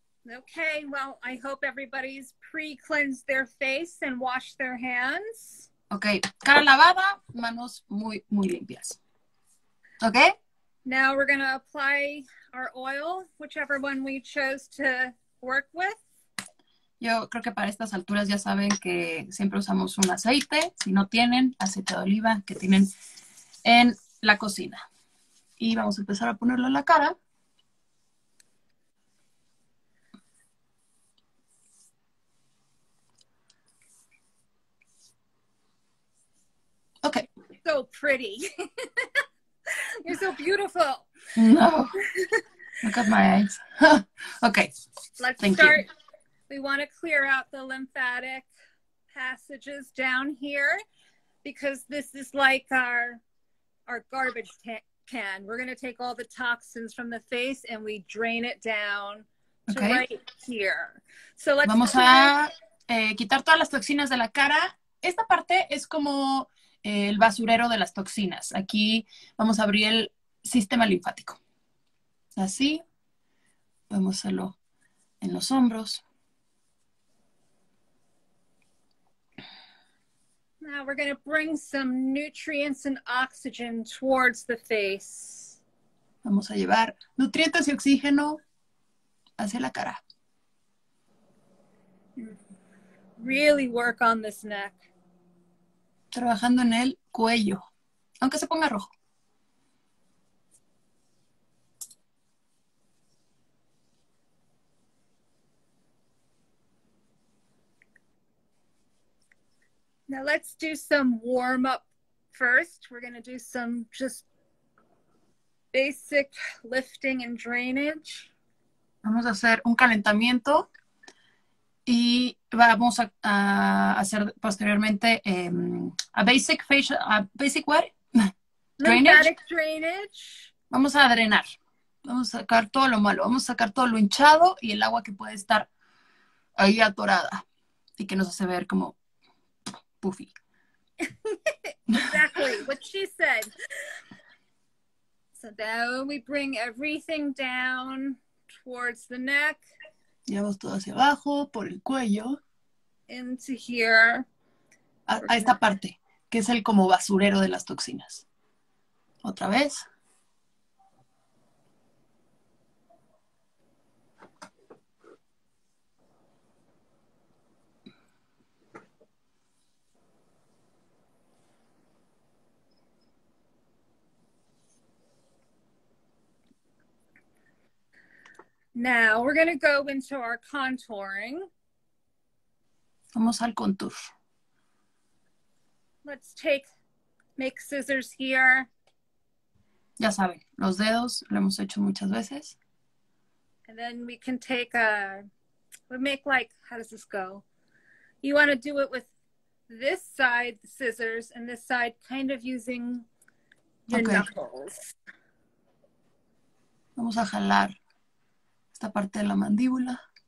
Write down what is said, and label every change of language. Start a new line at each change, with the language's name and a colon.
English: Okay, well, I hope everybody's pre-cleansed their face and washed their hands.
Spanish: Okay, cara lavada, manos muy, muy limpias. Okay?
English: Now we're going to apply our oil, whichever one we chose to work with.
Spanish: Yo creo que para estas alturas ya saben que siempre usamos un aceite, si no tienen, aceite de oliva que tienen en la cocina. Y vamos a empezar a ponerlo en la cara.
English: Okay. So pretty. You're so beautiful. No. Look at my eyes. Okay. Let's Thank start. You. We want to clear out the lymphatic passages down here because this is like our garbage can. We're going to take all the toxins from the face and we drain it down to okay. Right here. So let's
Spanish: Vamos
English: clear.
Spanish: A quitar todas las toxinas de la cara. Esta parte es como el basurero de las toxinas. Aquí vamos a abrir el sistema linfático. Así, podemos hacerlo en los hombros.
English: Now we're going to bring some nutrients and oxygen towards the face.
Spanish: Vamos a llevar nutrientes y oxígeno hacia la cara.
English: Really work on this neck.
Spanish: Trabajando en el cuello, aunque se ponga rojo.
English: Now let's do some warm up first. We're going to do some just basic lifting and drainage.
Spanish: Vamos a hacer un calentamiento y vamos a hacer posteriormente
English: a basic facial, a basic what? Lymphatic drainage.
Spanish: Vamos a drenar. Vamos a sacar todo lo malo. Vamos a sacar todo lo hinchado y el agua que puede estar ahí atorada y que nos hace ver como puffy.
English: Exactly what she said. So then we bring everything down towards the neck.
Spanish: Llevamos todo hacia abajo, por el cuello.
English: Into here.
Spanish: A esta parte, que es el como basurero de las toxinas. Otra vez.
English: Now we're going to go into our contouring.
Spanish: Vamos al contour.
English: Let's make scissors here.
Spanish: Ya saben, los dedos lo hemos hecho muchas veces.
English: And then we can take how does this go? You want to do it with this side, the scissors, and this side kind of using your okay. Knuckles.
Spanish: Vamos a jalar. Esta parte de la mandíbula.